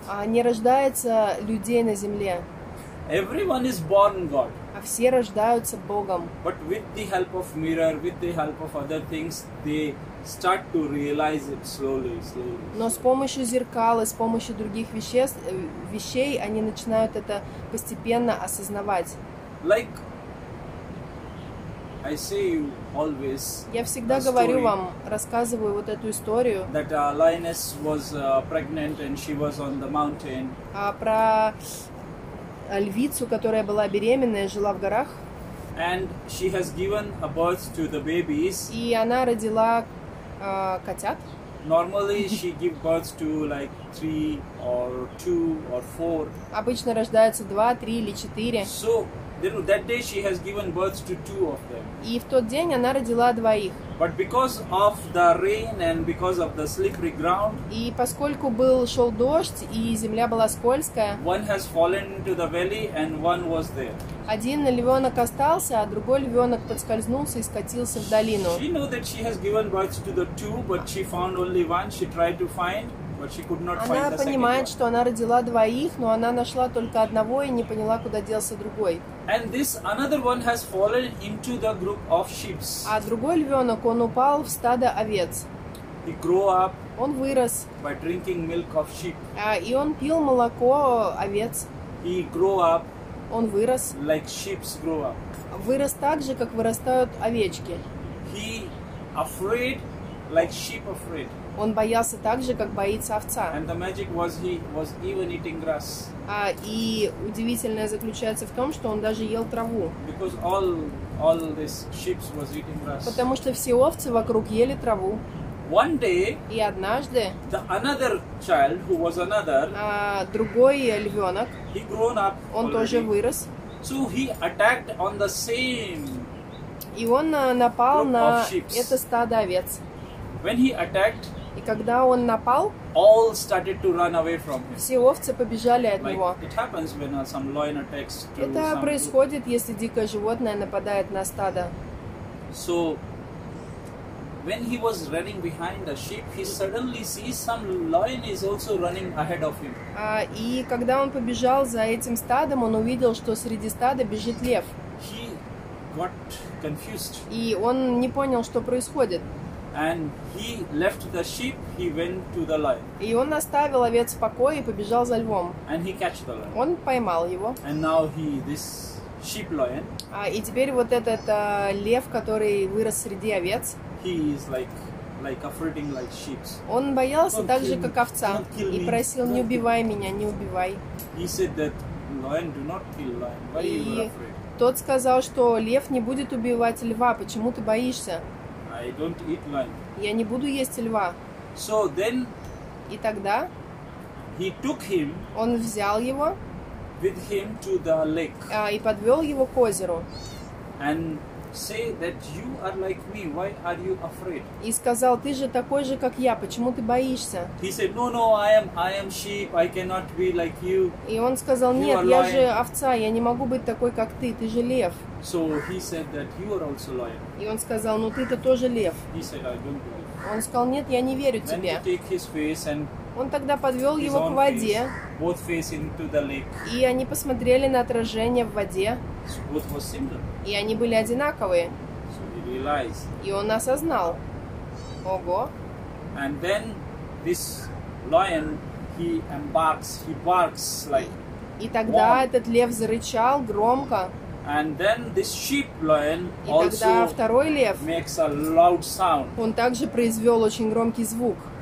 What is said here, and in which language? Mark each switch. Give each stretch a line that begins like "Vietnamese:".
Russian: А не рождается людей на земле.
English: Everyone is born God.
Russian: А все рождаются Богом.
English: But with the help of mirror, with the help of other things, they start to realize it slowly, slowly.
Russian: Но с помощью зеркал и с помощью других вещей они начинают это постепенно осознавать.
English: Like I say you always.
Russian: Я всегда говорю вам, рассказываю вот эту историю.
English: That Linus was pregnant and she was on the mountain.
Russian: А про львицу, которая была беременная, жила в горах.
English: And she has given a birth to the babies.
Russian: И она родила котят.
English: Normally she give birth to like 3 or 2 or 4.
Russian: Обычно рождаются 2, 3 или 4.
English: So that day she has given birth to 2 of them.
Russian: И в тот день она родила 2 их.
English: But because of the rain and because of the slippery ground,
Russian: и поскольку был шел дождь и земля была скользкая,
English: one has fallen into the valley and one was there.
Russian: Один львенок остался, а другой львенок подскользнулся и скатился в долину.
English: She knew that she has given birth to the 2, but she found only 1. She tried to find.
Russian: Она понимает, что она родила 2, но она нашла только 1 и не поняла, куда делся другой.
English: And this another one has fallen into the group of sheep.
Russian: А другой львенок, он упал в стадо овец.
English: He grew up.
Russian: Он вырос.
English: By drinking milk of sheep.
Russian: И он пил молоко овец.
English: He grew up.
Russian: Он вырос.
English: Like sheep grow up.
Russian: Вырос так же, как вырастают овечки.
English: He afraid, like sheep afraid.
Russian: Он боялся так же, как боится овца.
English: And the magic was he was even eating grass.
Russian: И удивительное заключается в том, что он даже ел траву.
English: Because all these sheep was eating grass.
Russian: Потому что все овцы вокруг ели траву.
English: One day.
Russian: И однажды.
English: The another child who was another.
Russian: Другой львенок.
English: He grown up.
Russian: Он
English: already.
Russian: Тоже вырос.
English: So he attacked on the same.
Russian: И он напал на это стадо овец.
English: When he attacked,
Russian: и когда он напал,
English: all started to run away from him.
Russian: Все овцы побежали от
English: like
Russian: него.
English: It happens when some lion attacks to
Russian: это
English: something.
Russian: Происходит, если дикое животное нападает на стадо.
English: So, when he was running behind the sheep, he suddenly sees some lion is also running ahead of him.
Russian: И когда он побежал за этим стадом, он увидел, что среди стада бежит лев.
English: He got confused.
Russian: И он не понял, что происходит.
English: And he left the sheep, he went to the lion.
Russian: И он оставил овец в покое и побежал за львом.
English: And he catched the lion.
Russian: Он поймал его.
English: And now he, this sheep lion.
Russian: И теперь вот этот лев, который вырос среди овец.
English: He is like afraiding like sheep.
Russian: Он боялся так же, как овца. И просил, не убивай меня, не убивай.
English: He said that lion, do not kill lion. Why are you afraid?
Russian: Тот сказал, что лев не будет убивать льва, почему ты боишься?
English: I don't eat lion.
Russian: Я не буду есть льва.
English: So then
Russian: И тогда
English: he took him,
Russian: он взял его
English: with him to the lake,
Russian: и подвел его к озеру.
English: And say that you are like me. Why are you afraid?
Russian: И сказал: ты же такой же, как я. Почему ты боишься?
English: He said, No, I am sheep. I cannot be like you.
Russian: И он сказал: нет, я же овца. Я не могу быть такой, как ты. Ты же лев.
English: So he said that you are also lion.
Russian: И он сказал: ну ты-то тоже лев.
English: He said, I don't believe.
Russian: Он сказал: нет, я не верю тебе.
English: Then he took his face and
Russian: он тогда подвел его к воде,
English: face,
Russian: и они посмотрели на отражение в воде, и они были одинаковые.
English: So he realized,
Russian: и он осознал. Ого!
English: And then this lion, he embarks, he barks like,
Russian: и тогда этот лев зарычал громко.
English: And then this sheep lion also makes a loud sound.
Russian: Он также произвел очень громкий звук.